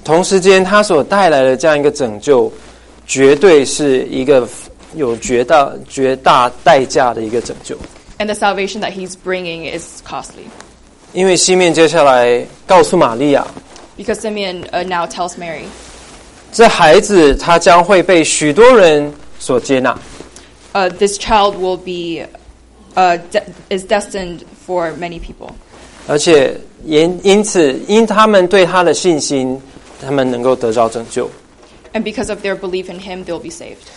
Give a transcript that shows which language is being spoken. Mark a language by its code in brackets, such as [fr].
[zh] 同时间他所带来的这样一个拯救绝对是一个有绝大代价的一个拯救 [en] And the salvation that he's bringing is costly. [zh] 因为西面接下来告诉玛利亚 [en] Because Simeon now tells Mary [zh] 这孩子他将会被许多人所接纳 [en] This child will be is destined for many people. [zh] 而且 因此因他们对他的信心他们能够得到拯救 [en] And because of their belief in him they'll be saved